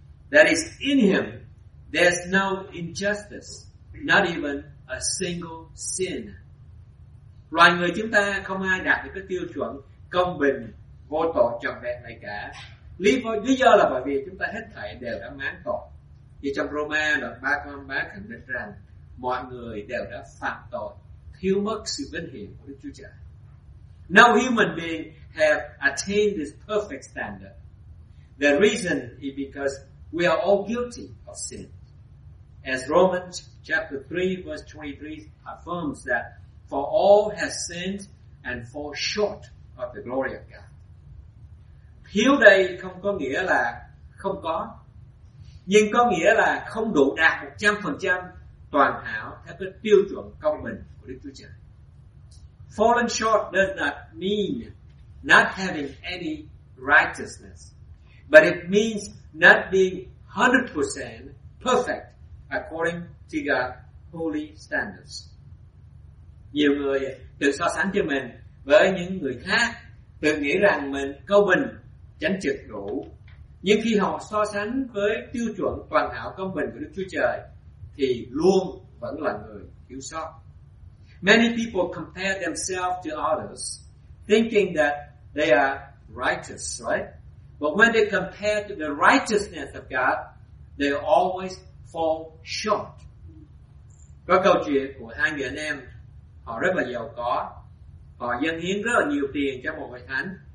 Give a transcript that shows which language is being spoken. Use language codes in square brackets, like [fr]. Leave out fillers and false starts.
[en] That is, in Him, there's no injustice, not even a single sin. [vi] Loài người chúng ta không ai đạt được cái tiêu chuẩn công bình, vô tội trọn vẹn này cả. Lý do là bởi vì chúng ta hết thảy đều đã mang tội. Như trong Roma đoạn 3 câu 3 khẳng định rằng mọi người đều đã phạm tội, thiếu mất sự vinh hiển của Đức Chúa Trời. [en] No human being have attained this perfect standard. The reason is because we are all guilty of sin. As Romans chapter 3 verse 23 affirms that for all have sinned and fall short of the glory of God. [vi] Thiếu đây không có nghĩa là không có, nhưng có nghĩa là không đủ đạt 100% toàn hảo theo cái tiêu chuẩn công bình của Đức Chúa Trời. [en] Falling short does not mean not having any righteousness, but it means not being 100% perfect according to God's holy standards. [vi] Nhiều người tự so sánh cho mình với những người khác, tự nghĩ rằng mình công bình, chánh trực đủ. Nhưng khi họ so sánh với tiêu chuẩn toàn hảo công bình của Đức Chúa Trời, thì luôn vẫn là người thiếu sót. [en] Many people compare themselves to others, thinking that they are righteous, right? But when they compare to the righteousness of God, they always fall short. [vi] Có câu chuyện của hai người anh em, họ rất là giàu có, họ dâng hiến rất là nhiều tiền cho một hội thánh.